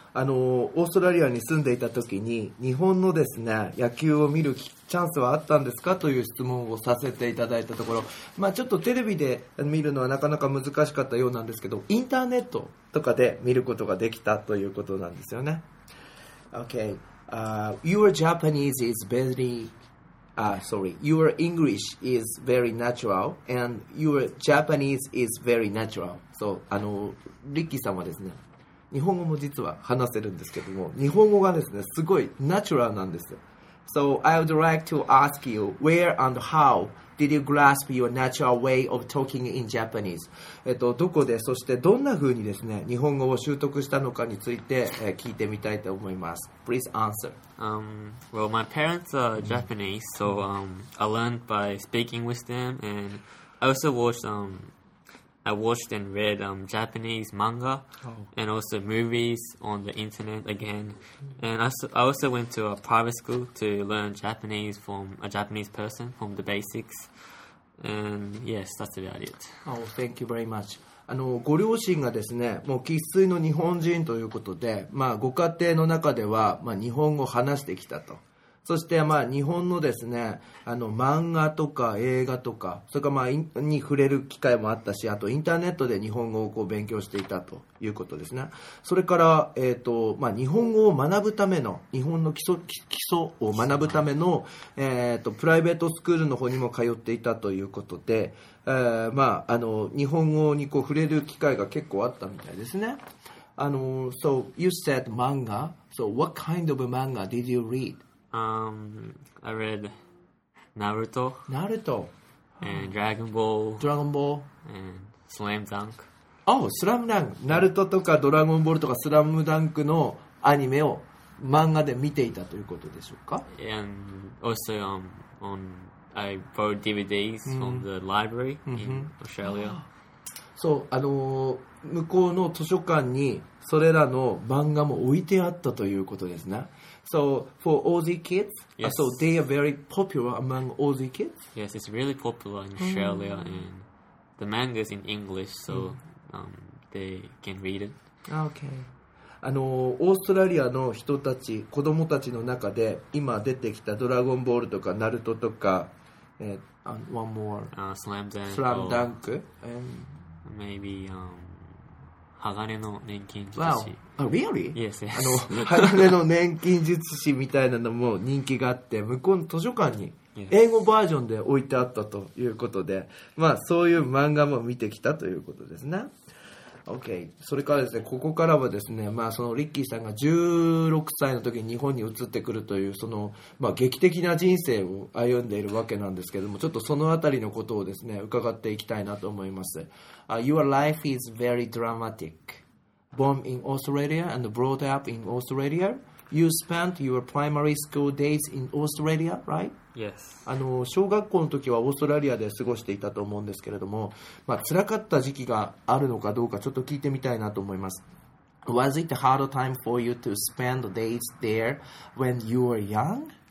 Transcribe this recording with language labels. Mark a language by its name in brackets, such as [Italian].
[Japanese] あのオーストラリアに住んでいた時に日本のですね野球を見るチャンスはあったんですかという質問をさせていただいたところ、まあ、ちょっとテレビで見るのはなかなか難しかったようなんですけど、インターネットとかで見ることができたということなんですよね。 [English] Okay, your Japanese is very your English is very natural and your Japanese is very natural. [Japanese] So, リッキーさんはですね、日本語も実は話せるんですけども、日本語がですね、すごいナチュラルなんですよ。 [English] So, I would like to ask you where and how did you grasp your natural way of talking in Japanese? [Japanese] どこで、そしてどんな風にですね、日本語を習得したのかについて、聞いてみたいと思います。 [English] Please answer. Well, my parents are Japanese, so I learned by speaking with them, and I also watched, I watched and read Japanese manga, and also movies on the internet again, and I also went to a private school to learn Japanese from a Japanese person, from the basics, and yes, that's about it. Oh, thank you very much. [Japanese] ご両親がですね、もう生っ粋の日本人ということで、まあ、ご家庭の中では、まあ、日本語を話してきたと。そして、まあ、日本のですね、漫画とか映画とか、それから、まあ、に触れる機会もあったし、あと、インターネットで日本語をこう勉強していたということですね。それから、まあ、日本語を学ぶための、日本の基礎を学ぶための、プライベートスクールの方にも通っていたということで、まあ、日本語にこう触れる機会が結構あったみたいですね。 [English] So, you said manga. So, what kind of manga did you read? I read Naruto and Dragon Ball and Slam Dunk. Oh, Slam Dunk. [Japanese] Naruto とか Dragon Ball とか Slam Dunk のアニメを漫画で見ていたということでしょうか? [English] And also I bought DVDs from the library in Australia. [Japanese] そう、向こうの図書館にそれらの漫画も置いてあったということですね。 [English] So for Aussie kids, yes. So they are very popular among Aussie kids. Yes, it's really popular in Australia, and the manga is in English, so they can read it. Okay. [Japanese] オーストラリアの人たち、子どもたちの中で今出てきたドラゴンボールとかナルトとか、 [English] one more, Slam Dunk, Slam Dunk, maybe [Japanese] 鋼の錬金術師。 [English] Really? Yes, yes. [Japanese] 鋼の錬金術師みたいなのも人気があって、向こうの図書館に英語バージョンで置いてあったということで、まあそういう漫画も見てきたということですね。 [English] Okay. [Japanese] それからですね、ここからはですね、まあそのリッキーさんが16歳の時に日本に移ってくるという、その、まあ劇的な人生を歩んでいるわけなんですけども、ちょっとそのあたりのことをですね、伺っていきたいなと思います。 [English] Your life is very dramatic. Born in Australia and brought up in Australia, you spent your primary school days in Australia, right? Yes. [Japanese] 小学校の時はオーストラリアで過ごしていたと思うんですけれども、まあ、辛かった時期があるのかどうかちょっと聞いてみたいなと思います。 [English] Was it a hard time for you to spend days there when you were young?